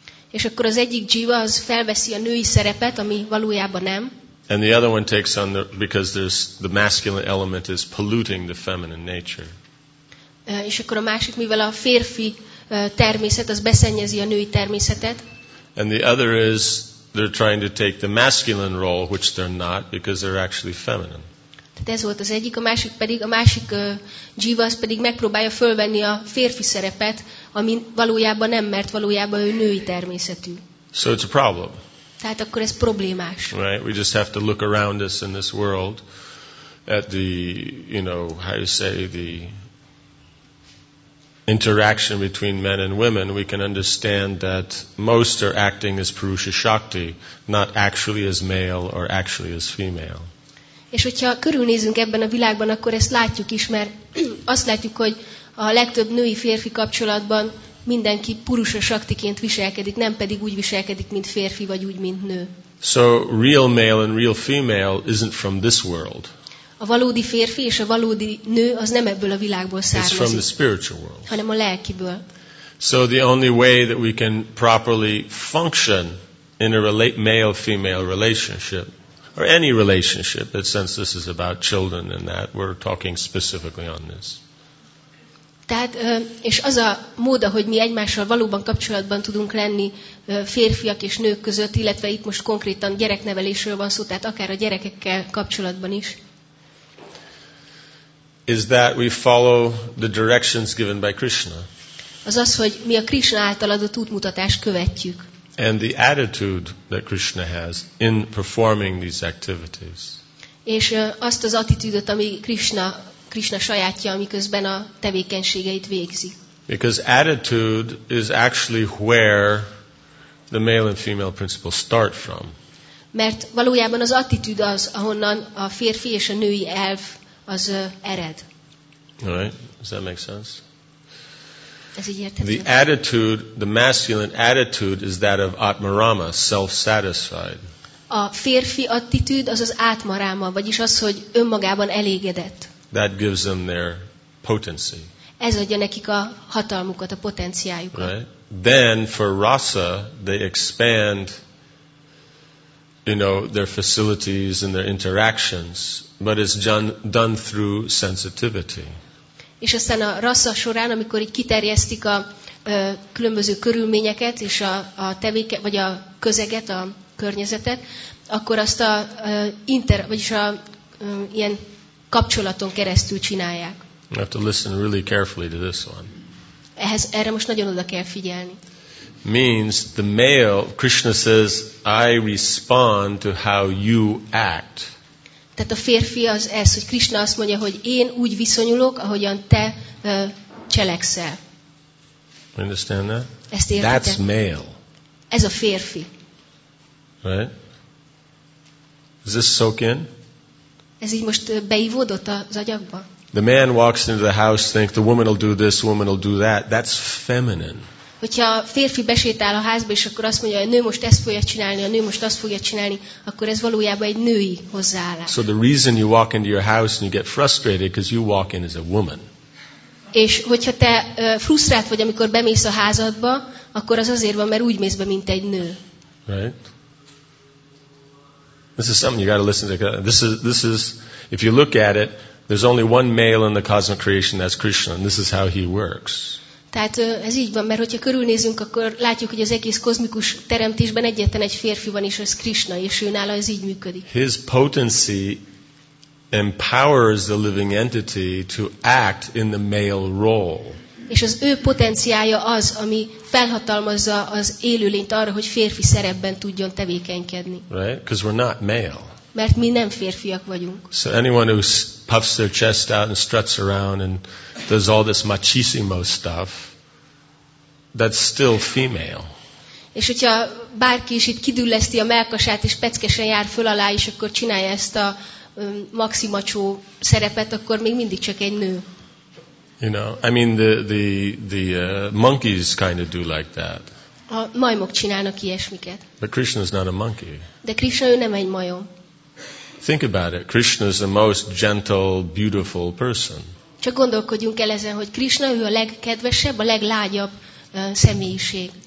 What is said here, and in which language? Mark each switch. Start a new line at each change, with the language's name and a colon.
Hungarian: És akkor az egyik jiva az felveszi a női szerepet, ami valójában nem.
English: And the other one takes on because there's the masculine element is polluting the feminine nature.
Hungarian: És akkor a másik, mivel a férfi természet az beszennyezi a női természetet.
English: And the other is they're trying to take the masculine role, which they're not, because they're actually feminine.
Hungarian: Tehát ez volt az egyik, a másik jiva az pedig megpróbálja fölvenni a férfi szerepet, ami valójában nem, mert valójában ő női természetű.
English: So it's a problem.
Hungarian: Tehát akkor ez problémás.
English: Right, we just have to look around us in this world at the, you know, how you say, the interaction between men and women, we can understand that most are acting as Purusha Shakti, not actually as male or actually as female.
Hungarian: És hogyha körülnézünk ebben a világban, akkor ezt látjuk is, mert azt látjuk, hogy a legtöbb női férfi kapcsolatban mindenki purusa saktiként viselkedik, nem pedig úgy viselkedik, mint férfi vagy úgy, mint nő.
English: So real male and real female isn't from this world.
Hungarian: A valódi férfi és a valódi nő az nem ebből a világból származik.
English: It's from the spiritual world.
Hungarian: Hanem a lelkiből.
English: So the only way that we can properly function in a male-female relationship or any relationship, but since this is about children and that, we're talking specifically on this.
Hungarian: Tehát, és az a mód, ahogy mi egymással valóban kapcsolatban tudunk lenni férfiak és nők között, illetve itt most konkrétan gyereknevelésről van szó, tehát akár a gyerekekkel kapcsolatban is.
English: is that we follow the directions given by Krishna.
Hungarian: Az az, hogy mi a Krishna által adott útmutatást követjük.
English: And the attitude that Krishna has in performing these activities.
Hungarian: És azt az attitűdöt, ami Krishna sajátja, amiközben a tevékenységeit végzi.
English: Because attitude is actually where the male and female principle start from.
Hungarian: Mert valójában az attitűd az, ahonnan a férfi és a női elv az ered.
English: All right. Does that make sense?
Hungarian: Ez így érthető.
English: The attitude, the masculine attitude is that of Atmarama, self-satisfied.
Hungarian: A férfi attitűd az az átmaráma, vagyis az, hogy önmagában elégedett.
English: That gives them their potency.
Hungarian: Ez adja nekik a hatalmukat, a potenciájukat.
English: Right? Then for rasa, they expand, you know, their facilities and their interactions, but it's done through sensitivity.
Hungarian: És aztán a rasa során, amikor így kiterjesztik a különböző körülményeket és a tevéke vagy a közeget, a környezetet, akkor azt a inter, vagyis a ilyen kapcsolaton keresztül csinálják.
English: You have to listen really carefully to this one.
Hungarian: Ehhez, erre most nagyon oda kell figyelni.
English: Means the male, Krishna says, I respond to how you act.
Hungarian: Tehát a férfi az ez, hogy Krishna azt mondja, hogy én úgy viszonyulok, ahogyan te cselekszel.
English: Understand that?
Hungarian: Ezt értitek?
English: That's male.
Hungarian: Ez a férfi.
English: Right? Does this soak in?
Hungarian: Ez így most beívódott az agyakba?
English: The man walks into the house, thinks the woman will do this, woman will do that. That's feminine.
Hungarian: Hogyha a férfi besétál a házba, és akkor azt mondja, a nő most ezt fogja csinálni, a nő most azt fogja csinálni, akkor ez valójában egy női hozzáállás.
English: So the reason you walk into your house and you get frustrated because you walk in as a woman.
Hungarian: És hogyha te frusztrált vagy, amikor bemész a házadba, akkor az azért van, mert úgy mész be, mint egy nő.
English: Right? This is something you got to listen to. This is if you look at it, there's only one male in the cosmic creation, that's Krishna, and this is how he works.
Hungarian: Tehát ez így van, mert hogyha körülnézünk, akkor látjuk, hogy az egész kozmikus teremtésben egyetlen egy férfi van, és ez Krishna, és ő nála ez így működik.
English: His potency empowers the living entity to act in the male role.
Hungarian: És az ő potenciája az, ami felhatalmazza az élőlényt arra, hogy férfi szerepben tudjon tevékenykedni.
English: Right? Because we're not male.
Hungarian: Mert mi nem férfiak vagyunk.
English: So anyone who puffs their chest out and struts around and does all this machismo stuff, that's still female.
Hungarian: És hogyha bárki is itt kidülleszti a mellkasát és peckesen jár föl alá, és akkor csinálja ezt a maximacsó szerepet, akkor még mindig csak egy nő.
English: You know, I mean the monkeys kind of do like that.
Hungarian: A majmok csinálnak ilyesmiket.
English: But Krishna is not a monkey.
Hungarian: De Krishna, ő nem egy majom.
English: Think about it. Krishna is the most gentle, beautiful person.
Hungarian: Csak gondolkodjunk el ezen, hogy Krishna, ő a legkedvesebb, a leglágyabb személyiség.